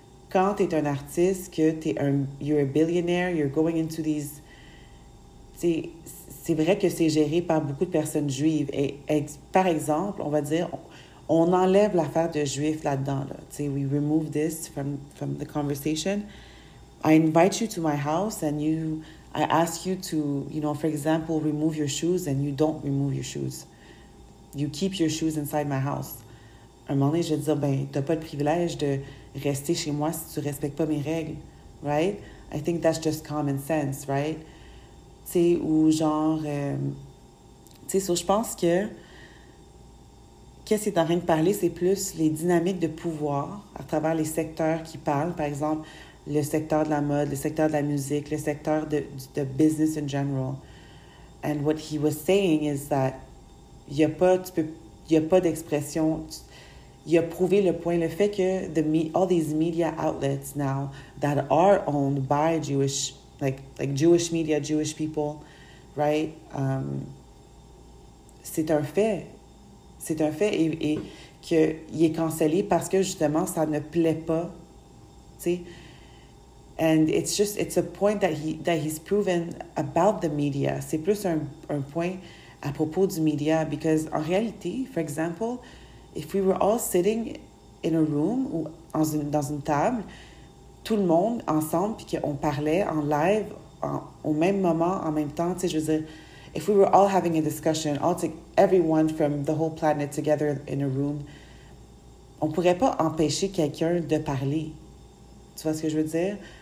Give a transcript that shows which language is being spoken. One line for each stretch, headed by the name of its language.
French: quand t'es un artiste, que t'es un,
English: you're a billionaire, you're going into these,
French: t'sais, c'est vrai que c'est géré par beaucoup de personnes juives. Par exemple, on va dire, on enlève l'affaire de juif là-dedans, là.
English: T'sais, we remove this from the conversation. I invite you to my house and you, I ask you to, you know, for example, remove your shoes and you don't remove your shoes. You keep your shoes inside my house.
French: À un moment donné, je vais dire, ben, t'as pas le privilège de rester chez moi si tu respectes pas mes règles, right?
English: I think that's just common sense, right?
French: Tu sais, ou genre, tu sais, so, je pense que qu'est-ce qu'il est en train de parler, c'est plus les dynamiques de pouvoir à travers les secteurs qui parlent, par exemple, le secteur de la mode, le secteur de la musique, le secteur de business in general.
English: And what he was saying is that
French: il y a pas, tu peux, il y a pas d'expression. Il a prouvé le point, le fait que
English: all these media outlets now that are owned by Jewish, like Jewish media, Jewish people, right?
French: C'est un fait. C'est un fait et qu'il est cancellé parce que justement, ça ne plaît pas. T'sais?
English: And it's a point that he's proven about the media.
French: C'est plus un point à propos du media because en réalité, for example,
English: if we were all sitting in a room
French: ou dans une table, tout le monde ensemble, puis qu'on parlait en live, au même moment, en même temps, tu sais, je veux dire,
English: if we were all having a discussion, everyone from the whole planet together in a room,
French: on pourrait pas empêcher quelqu'un de parler. Tu vois ce que je veux dire?